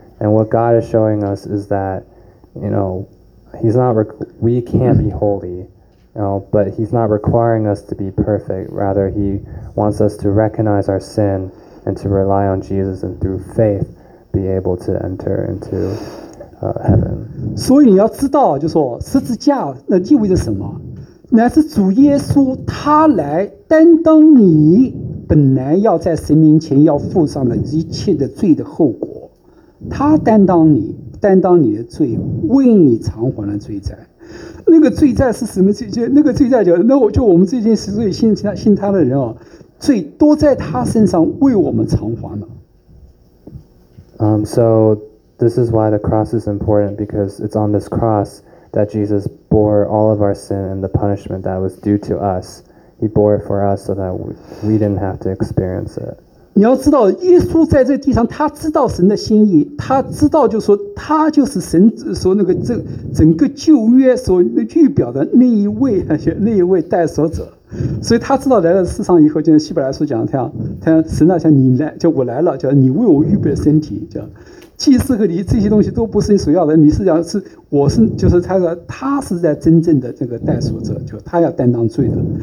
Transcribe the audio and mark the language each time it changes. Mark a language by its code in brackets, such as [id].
[en] And what God is showing us is that, you know, He's not we can't be holy, you know, but He's not requiring us to be perfect. Rather, He wants us to recognize our sin and to rely on Jesus and through faith be able to enter into heaven. [zh] 所以你要知道，就说十字架那意味着什么？乃是主耶稣他来担当你。本来要在神面前要付上的一切的罪的后果，他担当你的罪，为你偿还了罪债。那个罪债是什么罪债？那个罪债就我们这些实际信他的人啊，罪都在他身上为我们偿还了。 [en] So this is why the cross is important, because it's on this cross that Jesus bore all of our sin and the punishment that was due to us. He bore it for us so that we didn't have to experience it. [zh] 你要知道，耶稣在这地上，他知道神的心意，他知道，就是说他就是神所那个整个旧约所预表的那一位代赎者，所以他知道来到世上以后，就像希伯来书讲的这样，他神啊，像你来，就我来了，叫你为我预备身体，叫祭司和你这些东西都不是你所要的，你是讲是我是就是他说他是在真正的这个代赎者，就他要担当罪的。